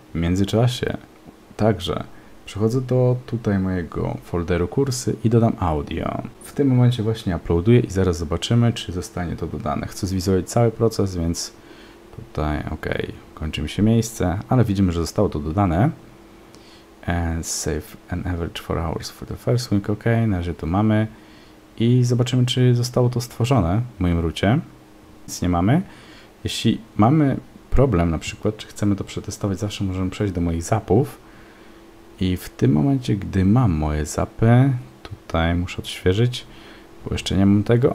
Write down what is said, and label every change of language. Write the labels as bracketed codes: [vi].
[pl] W międzyczasie także. Przechodzę do tutaj mojego folderu kursy i dodam audio. W tym momencie właśnie uploaduję i zaraz zobaczymy, czy zostanie to dodane. Chcę zwizualizować cały proces, więc tutaj OK, kończy mi się miejsce, ale widzimy, że zostało to dodane. [en] And save an average 4 hours for the first week. [pl] OK, na razie to mamy. I zobaczymy, czy zostało to stworzone w moim rucie. Nic nie mamy. Jeśli mamy problem na przykład, czy chcemy to przetestować, zawsze możemy przejść do moich zapów. I w tym momencie, gdy mam moje zapy, tutaj muszę odświeżyć, bo jeszcze nie mam tego.